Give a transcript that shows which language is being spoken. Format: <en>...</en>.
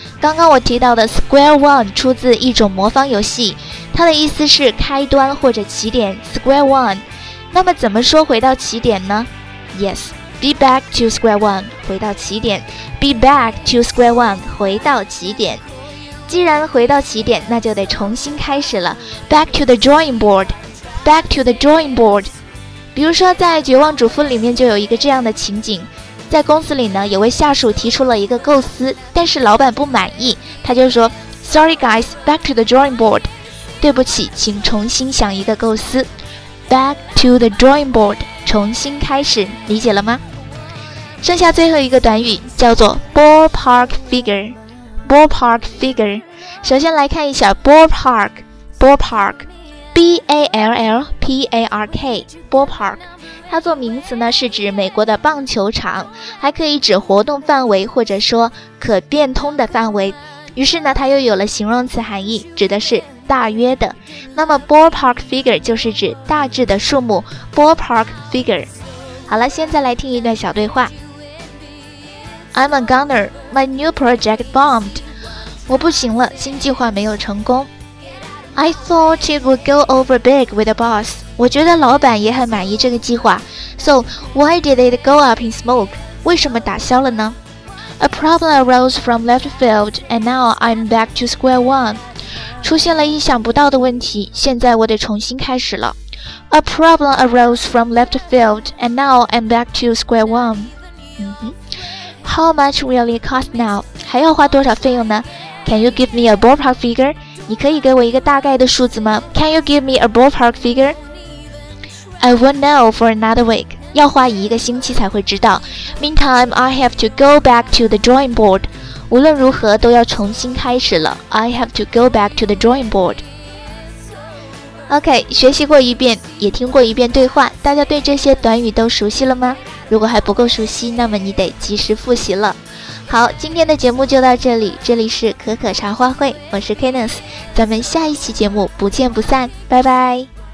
<zh>刚刚我提到的 square one 出自一种魔方游戏，它的意思是开端或者起点， square one。那么怎么说回到起点呢？</zh> <en>Yes, be back to square one,</en> <zh>回到起点。</zh> <en>Be back to square one, 回到起点。</en> <zh>既然回到起点，那就得重新开始了。</zh> <en>Back to the drawing board, back to the drawing board。</en> <zh>比如说，在《绝望主妇》里面就有一个这样的情景，在公司里呢，有位下属提出了一个构思，但是老板不满意，他就说 ：</zh> <en>“Sorry guys, back to the drawing board。”</en> <zh>对不起，请重新想一个构思。</zh> <en>Back to the drawing board，</en> <zh>重新开始，理解了吗？剩下最后一个短语叫做 ballpark figure。 Ballpark figure， 首先来看一下 ballpark， ballpark， B A L L P A R K， ballpark， 它做名词呢是指美国的棒球场，还可以指活动范围或者说可变通的范围。于是呢，它又有了形容词含义，指的是大约的。那么 ballpark figure 就是指大致的数目， ballpark figure。好了，现在来听一段小对话。</zh> <en>I'm a goner. My new project bombed.</en> <zh>我不行了，新计划没有成功。</zh> <en>I thought it would go over big with the boss.</en> <zh>我觉得老板也很满意这个计划。</zh> <en>So, why did it go up in smoke?</en> <zh>为什么打消了呢？</zh> <en>A problem arose from left field, and now I'm back to square one.</en> <zh>出现了意想不到的问题，现在我得重新开始了。</zh> <en>A problem arose from left field, and now I'm back to square one. 嗯哼。How much will it cost now?</en> <zh>还要花多少费用呢？</zh> <en>Can you give me a ballpark figure?</en> <zh>你可以给我一个大概的数字吗？</zh> <en>Can you give me a ballpark figure? I won't know for another week.</en> <zh>要花一个星期才会知道。</zh> <en>Meantime, I have to go back to the drawing board.</en> <zh>无论如何都要重新开始了。</zh> <en>I have to go back to the drawing board.</en> <zh>OK, 学习过一遍，也听过一遍对话，大家对这些短语都熟悉了吗？如果还不够熟悉，那么你得及时复习了。好，今天的节目就到这里，这里是可可茶话会，我是 Kenneth， 咱们下一期节目不见不散，拜拜。</zh>